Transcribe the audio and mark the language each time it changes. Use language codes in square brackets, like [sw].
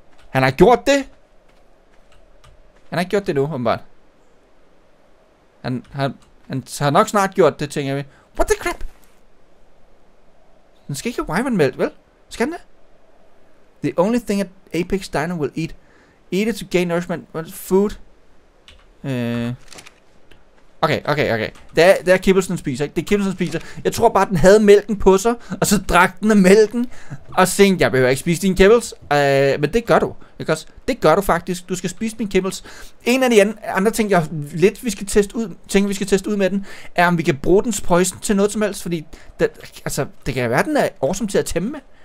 [da] Han har gjort det nu, åbenbart. Han har nok snart gjort det, tænker vi. [en] What the crap? [da] Den skal ikke have Wyvern Melt, vel? Skal den det? [en] The only thing an Apex Dino will eat. Eat it to gain nourishment. What is food? Okay. [da] Det er kibbelsen, den spiser, ikke? Det er kibbelsen, den spiser. Jeg tror bare, den havde mælken på sig, og så drak den af mælken, og tænkte, jeg behøver ikke spise din kibbels. Men det gør du, ikke også? Det gør du faktisk. Du skal spise min kibbels. En af de andre ting, vi skal teste ud med den, er, om vi kan bruge dens poison til noget som helst, fordi det, altså, det kan være, den er awesome til at tæmme med.